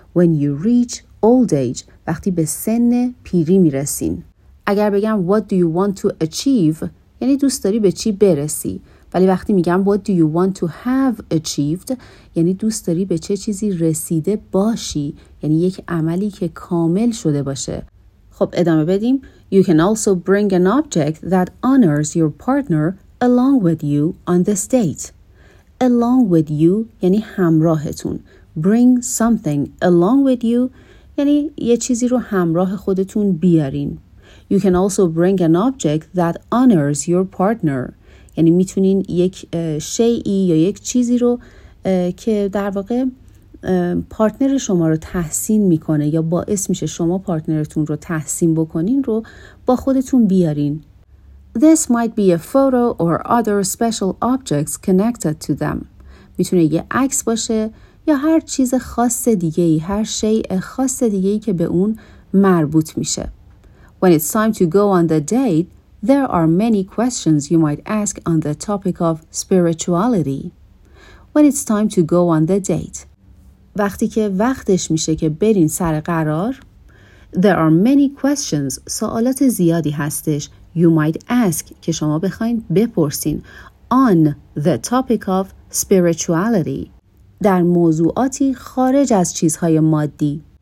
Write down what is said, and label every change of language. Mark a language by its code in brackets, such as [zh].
[en] When you reach old age، [fa] وقتی به سن پیری میرسین. اگر بگم [en] What do you want to achieve؟ [fa] یعنی دوست داری به چی برسی. ولی وقتی میگم [en] What do you want to have achieved؟ [fa] یعنی دوست داری به چه چیزی رسیده باشی. یعنی یک عملی که کامل شده باشه. خب ادامه بدیم. [en] You can also bring an object that honors your partner along with you on this date. Along with you [fa] یعنی همراهتون. [en] Bring something along with you [fa] یعنی یه چیزی رو همراه خودتون بیارین. [en] You can also bring an object that honors your partner. [fa] یعنی میتونین یک شیعی یا یک چیزی رو که در واقع پارتنر شما رو تحسین میکنه یا باعث میشه شما پارتنرتون رو تحسین بکنین رو با خودتون بیارین. [en] This might be a photo or other special objects connected to them. [fa] میتونه یه عکس باشه یا هر چیز خاص دیگه‌ای، هر شیء خاص دیگه‌ای که به اون مربوط میشه. [en] When it's time to go on the date, there are many questions you might ask on the topic of spirituality. When it's time to go on the date. [fa] وقتی که وقتش میشه که برین سر قرار، [en] there are many questions، [fa] سوالات زیادی هستش، [en] you might ask، [fa] که شما بخواین بپرسین، [en] on the topic of spirituality، [fa] در موضوعاتی خارج از چیزهای مادی.